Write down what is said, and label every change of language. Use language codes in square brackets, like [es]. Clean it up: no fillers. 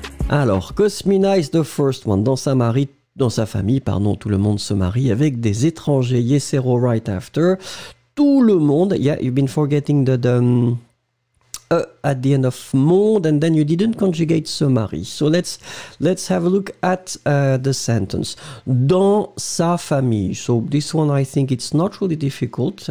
[en] Alors, Cosmina is the first one. [fr] Dans sa famille, tout le monde se marie avec des étrangers. [en] Yes, Ero, right after. [fr] Tout le monde. [en] Yeah, you've been forgetting at the end of monde, and then you didn't conjugate se marie. So let's have a look at the sentence. [fr] Dans sa famille. [en] So this one, I think it's not really difficult.